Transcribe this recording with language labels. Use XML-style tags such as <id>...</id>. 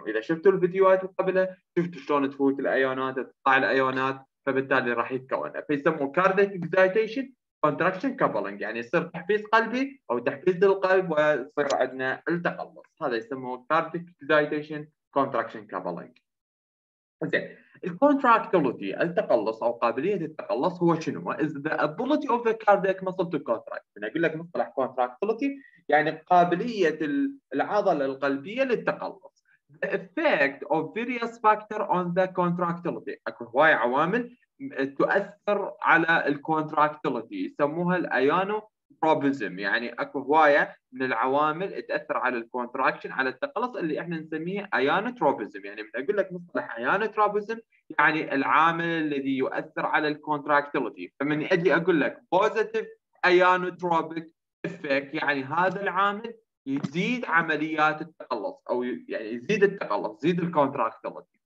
<ar>وإذا شفتوا الفيديوهات اللي قبلها شفتوا شلون تفوت الأيونات تطلع الأيونات، فبالتالي راح يتكونها، فيسموه كارديك اكزايتيشن كونتراكشن كابلنج، يعني يصير تحفيز قلبي او تحفيز للقلب ويصير عندنا التقلص، هذا يسموه كارديك اكزايتيشن كونتراكشن كابلنج. زين، الكونتراكتيلتي التقلص او قابليه التقلص هو شنو؟</ar> <en>Is the ability of the cardiac muscle to contract.</en> <ar>انا اقول لك مصطلح كونتراكتيلتي يعني قابليه العضله القلبيه للتقلص.</ar> <en>The effect of various factors on the contractility.</en> <ar>اكو هواي عوامل تؤثر على الكونتراكتيلتي، يسموها الايانو بروبزم، يعني اكو هوايه من العوامل تاثر على الكونتراكشن على التقلص اللي احنا نسميه ايانو تروبزم. يعني من اقول لك مصطلح ايانو تروبزم يعني العامل الذي يؤثر على الكونتراكتيلتي، فمن اجي اقول لك بوزيتيف ايانو تروبيك افكت، يعني هذا العامل يزيد عمليات التقلص او يعني يزيد التقلص، يزيد الكونتراكتيلتي.</ar>